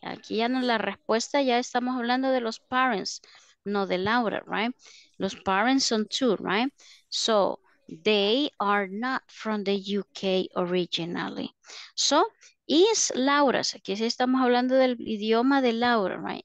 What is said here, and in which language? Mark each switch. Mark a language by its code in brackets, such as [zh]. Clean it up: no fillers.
[es] Aquí ya no la respuesta, ya estamos hablando de los parents, no de Laura, right? Los parents son two, right? [en] So they are not from the UK originally. [es] So is Laura's, aquí sí estamos hablando del idioma de Laura, right?